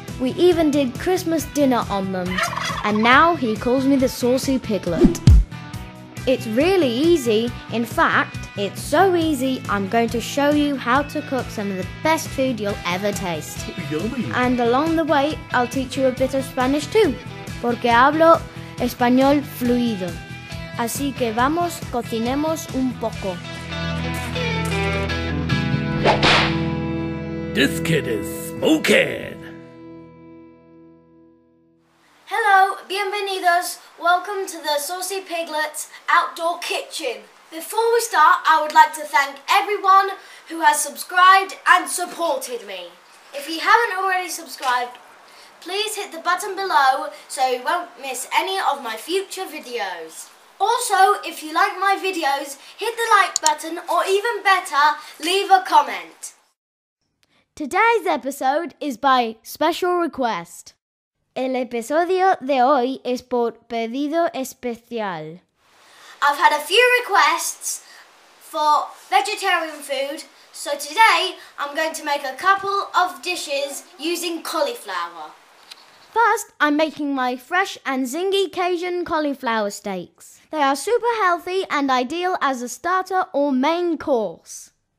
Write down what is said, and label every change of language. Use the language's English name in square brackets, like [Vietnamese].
[English] We even did Christmas dinner on them. And now he calls me the saucy piglet. It's really easy. In fact, it's so easy, I'm going to show you how to cook some of the best food you'll ever taste. Yummy. And along the way, I'll teach you a bit of Spanish too. [Spanish] Porque hablo español fluido. Así que vamos, cocinemos un poco. [English] This kid is smoking! Hello, bienvenidos! Welcome to the Saucy Piglet's Outdoor Kitchen. Before we start, I would like to thank everyone who has subscribed and supported me. If you haven't already subscribed, please hit the button below so you won't miss any of my future videos. Also, if you like my videos, hit the like button or even better, leave a comment. Today's episode is by special request. [Spanish] El episodio de hoy es por pedido especial. [English] I've had a few requests for vegetarian food, so today I'm going to make a couple of dishes using cauliflower. First, I'm making my fresh and zingy Cajun cauliflower steaks. They are super healthy and ideal as a starter or main course.